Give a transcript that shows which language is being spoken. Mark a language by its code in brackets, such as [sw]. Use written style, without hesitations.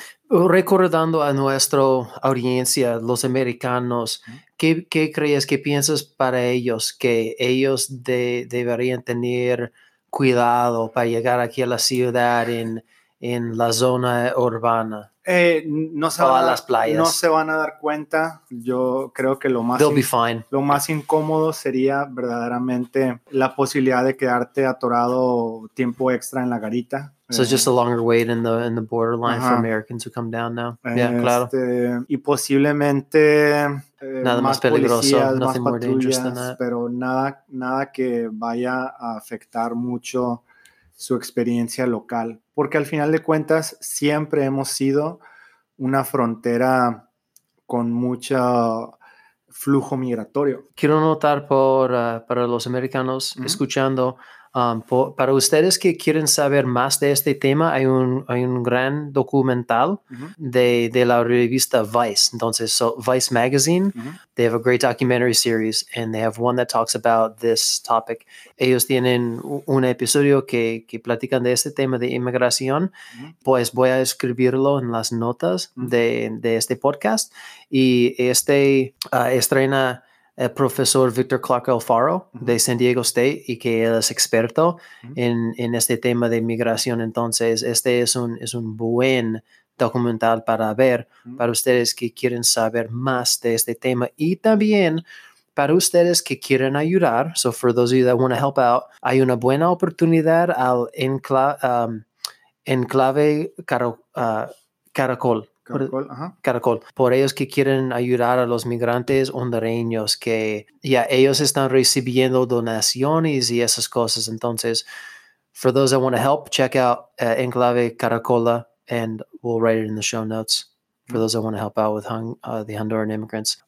[es] Recordando a nuestra audiencia, los americanos, ¿qué crees, qué piensas para ellos que ellos deberían tener cuidado para llegar aquí a la ciudad en la zona urbana? No se van a dar cuenta. Yo creo que lo más incómodo sería verdaderamente la posibilidad de quedarte atorado tiempo extra en la garita. [en] So it's just a longer wait in the borderline for Americans who come down now. Yeah, claro. [es] Y posiblemente nada más peligroso, policías, [en] nothing [es] más patrullas, [en] more dangerous than that. [es] Pero nada que vaya a afectar mucho su experiencia local, porque al final de cuentas siempre hemos sido una frontera con mucho flujo migratorio. Quiero notar para los americanos escuchando, para ustedes que quieren saber más de este tema, hay un gran documental de la revista Vice. [en] Entonces, so Vice Magazine, they have a great documentary series and they have one that talks about this topic. [es] Ellos tienen un episodio que platican de este tema de inmigración. Pues voy a escribirlo en las notas de este podcast. Y este estrena el profesor Victor Clark Alfaro de San Diego State y que él es experto en este tema de migración. Entonces, este es un buen documental para ver para ustedes que quieren saber más de este tema y también para ustedes que quieren ayudar. [en] So for those of you that want to help out, [es] hay una buena oportunidad al enclave Caracol. Caracol. Por ellos que quieren ayudar a los migrantes hondureños que ya ellos están recibiendo donaciones y esas cosas. [en] Entonces, for those that want to help, check out Enclave Caracola and we'll write it in the show notes for those that want to help out with the Honduran immigrants.